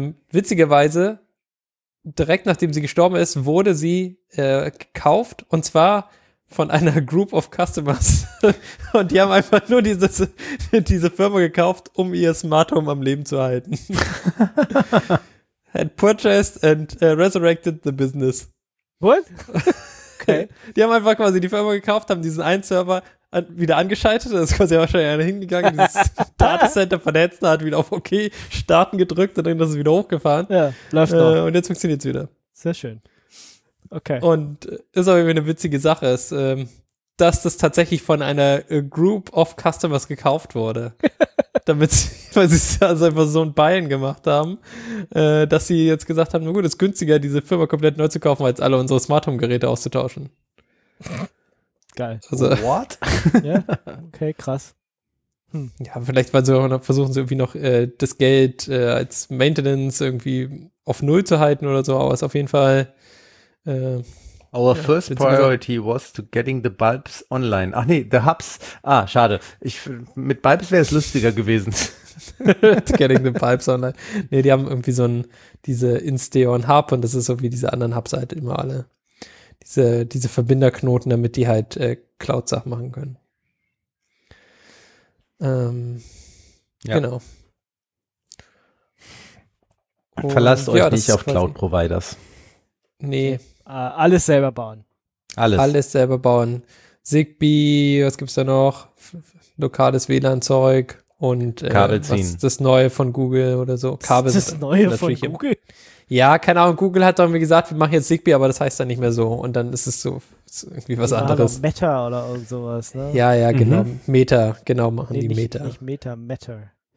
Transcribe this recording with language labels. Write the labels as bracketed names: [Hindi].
[German] Witzigerweise, direkt nachdem sie gestorben ist, wurde sie gekauft, und zwar von einer [English] Group of Customers. [German] Und die haben einfach nur diese Firma gekauft, um ihr Smart Home am Leben zu halten. [English] Had purchased and resurrected the business. What? [German] Okay. Die haben einfach quasi die Firma gekauft, haben diesen einen Server wieder angeschaltet, da ist quasi wahrscheinlich einer hingegangen, dieses Datacenter vernetzt, hat wieder auf OK starten gedrückt und dann ist es wieder hochgefahren. Ja, läuft noch. Und jetzt funktioniert es wieder. Sehr schön. Okay. Und ist aber eine witzige Sache, ist, dass das tatsächlich von einer [English] Group of Customers [German] gekauft wurde, damit sie, weil sie es also einfach so ein Buy-in gemacht haben, dass sie jetzt gesagt haben, na gut, ist günstiger, diese Firma komplett neu zu kaufen, als alle unsere Smart-Home-Geräte auszutauschen. Geil. Also, [English] what? [German] Ja, okay, krass. Ja, vielleicht weil sie noch versuchen sie irgendwie noch das Geld als Maintenance irgendwie auf Null zu halten oder so, aber es ist auf jeden Fall [English] Our first priority was to getting the bulbs online. [German] Ach nee, [English] the hubs. [German] Ah, schade. Mit bulbs wäre es lustiger gewesen. [English] To getting the bulbs online. [German] Nee, die haben irgendwie so ein diese InStation Hub und das ist so wie diese anderen Hubs halt immer alle. Diese Verbinderknoten, damit die halt Cloud-Sachen machen können. Ja. Genau. Verlasst euch nicht auf Cloud-Providers. Nee. Alles selber bauen. Alles selber bauen. Zigbee, was gibt's da noch? Lokales WLAN-Zeug und Kabel ziehen. Das Neue von Google oder so. Kabel das Neue von Google? Ja, keine Ahnung, Google hat doch irgendwie gesagt, wir machen jetzt Zigbee, aber das heißt dann nicht mehr so. Und dann ist es so ist irgendwie was anderes. Oder Meta oder irgend sowas, ne? Ja, ja, genau. Meta, genau, machen die Meta. Nicht Meta, Matter.